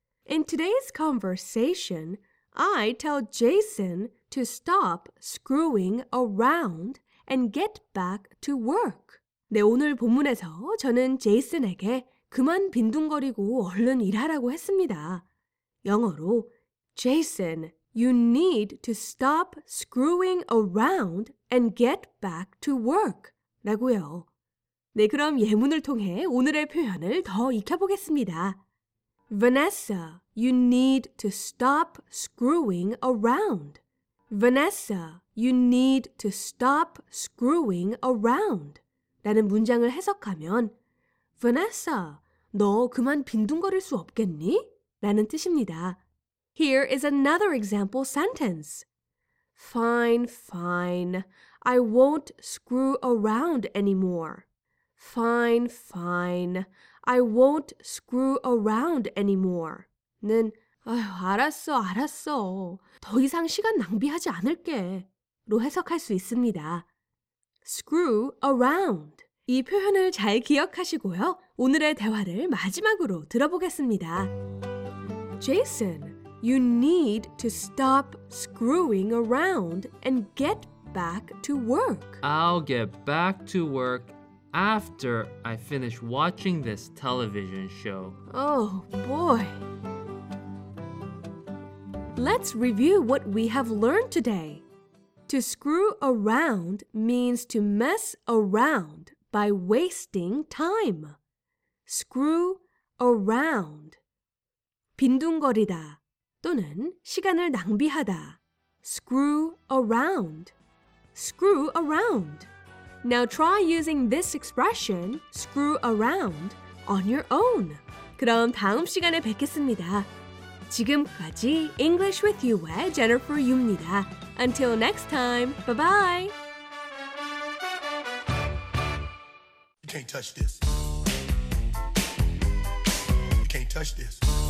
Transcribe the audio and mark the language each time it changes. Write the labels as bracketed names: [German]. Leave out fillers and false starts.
[English] In today's conversation, I tell Jason to stop screwing around and get back to work. [Korean] 네, 오늘 본문에서 저는 제이슨에게 그만 빈둥거리고 얼른 일하라고 했습니다. 영어로 [English] Jason, you need to stop screwing around and get back to work [Korean] 라고요. 네, 그럼 예문을 통해 오늘의 표현을 더 익혀보겠습니다. [English] Vanessa, you need to stop screwing around. Vanessa, you need to stop screwing around [Korean] 라는 문장을 해석하면 Vanessa, 너 그만 빈둥거릴 수 없겠니? 라는 뜻입니다. [English] Here is another example sentence. Fine, fine. I won't screw around anymore. Fine, fine. I won't screw around anymore. [Korean] 는 알았어, 알았어. 더 이상 시간 낭비하지 않을게. 로 해석할 수 있습니다. [English] Screw around. [Korean] 이 표현을 잘 기억하시고요. 오늘의 대화를 마지막으로 들어보겠습니다. [English] Jason, you need to stop screwing around and get back to work. I'll get back to work after I finish watching this television show. Oh, boy. Let's review what we have learned today. To screw around means to mess around by wasting time. Screw around. [Korean] 빈둥거리다 또는 시간을 낭비하다. [English] Screw around. Screw around. Now try using this expression, screw around, on your own. [Korean] 그럼 다음 시간에 뵙겠습니다. 지금까지 English with You의 Jennifer Yu입니다. [English] Until next time, bye-bye. You can't touch this. You can't touch this.